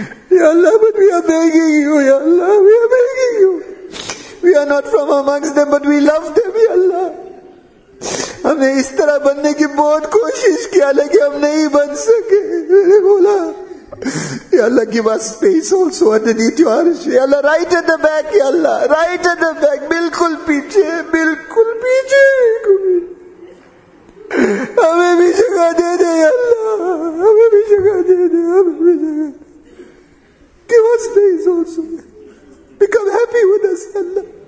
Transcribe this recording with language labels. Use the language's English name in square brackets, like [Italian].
[English] Ya Allah, but we are begging you, ya Allah, we are begging you. We are not from amongst them, but we love them, ya Allah. [Hindi] हमने इस तरह बनने की बहुत कोशिश किया लेकिन हम नहीं बन सके. मैंने बोला [English] ya Allah, give us space also underneath your arsh. Ya Allah, right at the back, ya Allah, right at the back, [Hindi] बिल्कुल पीछे, बिल्कुल पीछे, हमें भी जगह दे दे [English] ya Allah, [Hindi] हमें भी जगह दे दे, हमें भी जगह, [English] give us space also, become happy with us, ya Allah.